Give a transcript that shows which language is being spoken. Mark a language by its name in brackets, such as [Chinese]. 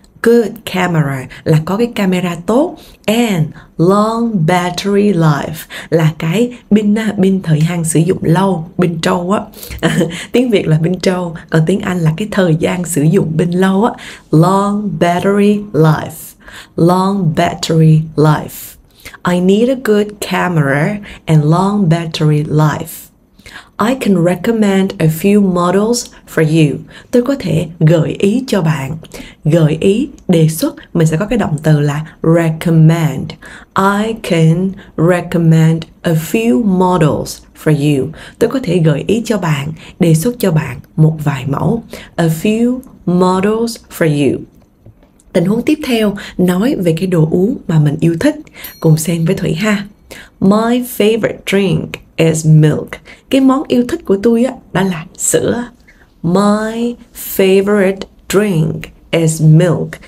[English] Good camera [Vietnamese] là có cái camera tốt [English] and long battery life [Vietnamese] là cái pin pin thời hạn sử dụng lâu, pin trâu á. Tiếng Việt là pin trâu, còn tiếng Anh là cái thời gian sử dụng pin lâu á, [English] long battery life. Long battery life. I need a good camera and long battery life. I can recommend a few models for you. [Vietnamese] Tôi có thể gợi ý cho bạn. Gợi ý, đề xuất, mình sẽ có cái động từ là recommend. [English] I can recommend a few models for you. [Vietnamese] Tôi có thể gợi ý cho bạn, đề xuất cho bạn một vài mẫu. [English] A few models for you. [Vietnamese] Tình huống tiếp theo nói về cái đồ uống mà mình yêu thích. Cùng xem với Thủy ha. [English] My favorite drink is milk. [Vietnamese] Cái món yêu thích của tôi á, đó là sữa. [English] My favorite drink is milk.